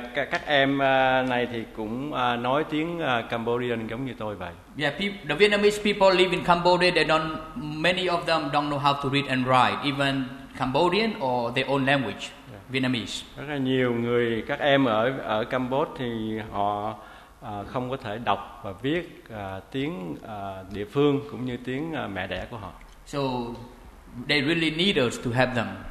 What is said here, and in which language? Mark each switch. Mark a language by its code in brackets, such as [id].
[vi] Các em này thì cũng nói tiếng Cambodian giống như tôi vậy. [en] Yeah, the Vietnamese people live in Cambodia. Many of them don't know how to read and write, even Cambodian or their own language. Vietnamese. [vi] Rất là nhiều người, các em ở Campuchia thì họ không có thể đọc và viết tiếng địa phương cũng như tiếng mẹ đẻ của họ. [en] So they really need us to help them.